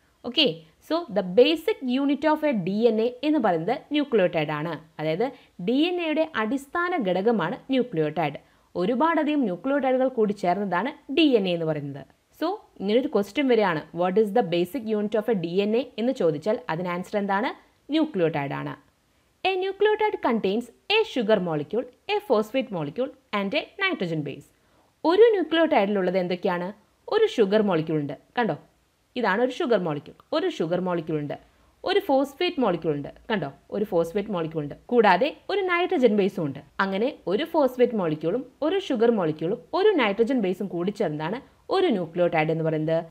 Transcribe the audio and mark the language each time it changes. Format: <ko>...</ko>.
<en>okay, so the basic unit of a D N A</en> <ml>എന്ന് പറയുന്നത്</ml> <en>nucleotide</en> <ml>ആണ്. അതായത് ഡി എൻ എയുടെ അടിസ്ഥാന ഘടകമാണ് ന്യൂക്ലിയോടൈഡ്. ഒരുപാടധികം ന്യൂക്ലിയോടൈഡുകൾ കൂടി ചേർന്നതാണ് ഡി എൻ എ എന്ന് പറയുന്നത്. സോ ഇങ്ങനൊരു ക്വസ്റ്റ്യൻ വരികയാണ്,</ml> <en>what is the basic unit of a D N A</en> <ml>എന്ന് ചോദിച്ചാൽ അതിന് ആൻസർ എന്താണ്? ന്യൂക്ലിയോടൈഡ് ആണ്.</ml> <en>A nucleotide contains a sugar molecule, a phosphate molecule and a nitrogen base.</en> <ml>ഒരു ന്യൂക്ലിയോടൈഡിലുള്ളത് എന്തൊക്കെയാണ്? ഒരു ഷുഗർ മോളിക്യൂൾ ഉണ്ട്, കണ്ടോ? ഇതാണ് ഒരു ഷുഗർ മോളിക്യൂൾ. ഒരു ഷുഗർ മോളിക്യൂൾ ഉണ്ട്, ഒരു ഫോസ്ഫേറ്റ് മോളിക്യൂൾ ഉണ്ട്, കണ്ടോ? ഒരു ഫോസ്ഫേറ്റ് മോളിക്യൂൾ ഉണ്ട്, കൂടാതെ ഒരു നൈട്രജൻ ബേസും ഉണ്ട്. അങ്ങനെ ഒരു ഫോസ്ഫേറ്റ് മോളിക്യൂളും ഒരു ഷുഗർ മോളിക്യൂളും ഒരു നൈട്രജൻ ബേസും കൂടി ചേർന്നതാണ് ഒരു ന്യൂക്ലിയോടൈഡ് എന്ന് പറയുന്നത്.</ml>